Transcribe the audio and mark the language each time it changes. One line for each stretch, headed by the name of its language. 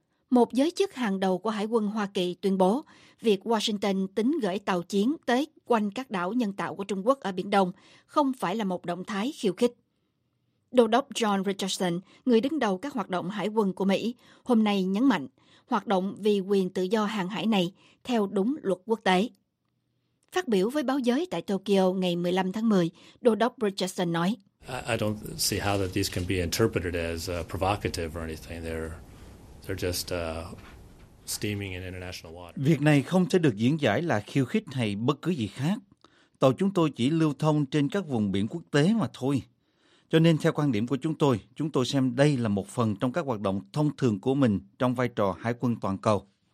Vietnamese: Một giới chức hàng đầu của Hải quân Hoa Kỳ tuyên bố việc Washington tính gửi tàu chiến tới quanh các đảo nhân tạo của Trung Quốc ở Biển Đông không phải là một động thái khiêu khích. Đô đốc John Richardson, người đứng đầu các hoạt động hải quân của Mỹ, hôm nay nhấn mạnh hoạt động vì quyền tự do hàng hải này theo đúng luật quốc tế. Phát biểu với báo giới tại Tokyo ngày 15 tháng 10, Đô đốc Richardson nói:
English: I don't see how that these can be interpreted as provocative or anything. They're just steaming in international water.
Vietnamese: Việc này không thể được diễn giải là khiêu khích hay bất cứ gì khác. Tàu chúng tôi chỉ lưu thông trên các vùng biển quốc tế mà thôi. Cho nên theo quan điểm của chúng tôi xem đây là một phần trong các hoạt động thông thường của mình trong vai trò hải quân toàn cầu.